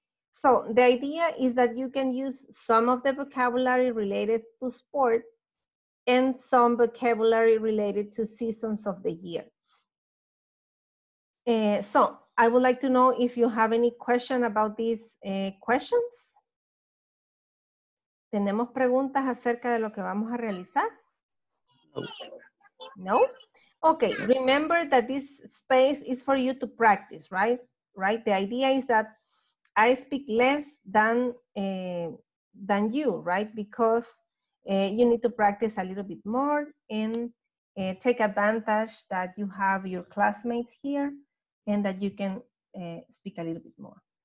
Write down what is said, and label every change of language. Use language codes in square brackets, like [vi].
[en] So the idea is that you can use some of the vocabulary related to sport and some vocabulary related to seasons of the year. So I would like to know if you have any question about these questions. [es] ¿Tenemos preguntas acerca de lo que vamos a realizar? No? [en] Okay, remember that this space is for you to practice, right? Right? The idea is that I speak less than you, right? Because you need to practice a little bit more and take advantage that you have your classmates here and that you can speak a little bit more.